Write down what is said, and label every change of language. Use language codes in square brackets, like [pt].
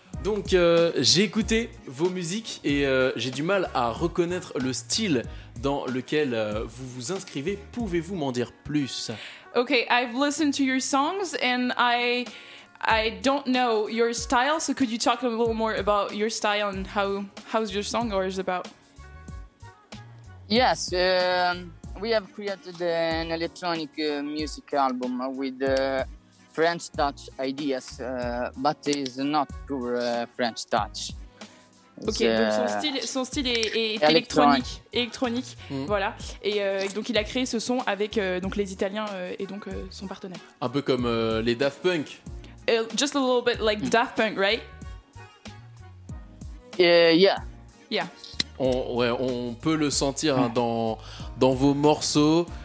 [fr] Donc j'ai écouté vos musiques et j'ai du mal à reconnaître le style dans lequel vous vous inscrivez. Pouvez-vous m'en dire plus? [en] Okay, I've listened to your songs and I don't know your style. So could you talk a little more about your style and how's your song or is about? Yes. We have created an electronic music album with French touch ideas, but it's not pure French touch. [fr] Ok, donc son style est électronique. Électronique. Voilà. Et donc il a créé ce son avec donc les Italiens et donc son partenaire. Un peu comme les Daft Punk. [en] Just a little bit like Daft Punk, right? Yeah. Yeah. [fr] On peut le sentir hein, dans vos morceaux.